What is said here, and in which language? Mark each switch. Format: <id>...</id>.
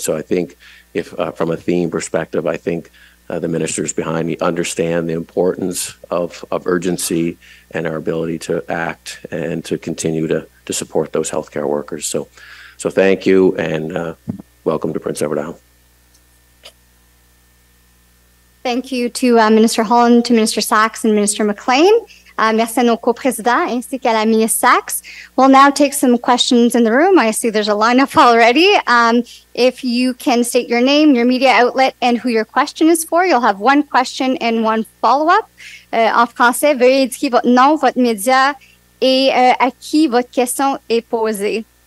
<en>So I think if from a theme perspective, I think the ministers behind me understand the importance of urgency and our ability to act and to continue to support those healthcare workers. So thank you, and welcome to Prince Edward Island. Thank you to Minister Holland, to Minister Sachs, and Minister McLane.</en> <fr>Merci à nos co-présidents ainsi qu'à la ministre Sachs.</fr> <en>We'll now take some questions in the room. I see there's a lineup already. If you can state your name, your media outlet, and who your question is for, you'll have one question and one follow-up.</en> <fr>En français, veuillez indiquer votre nom, votre média et à qui votre question est posée.</fr>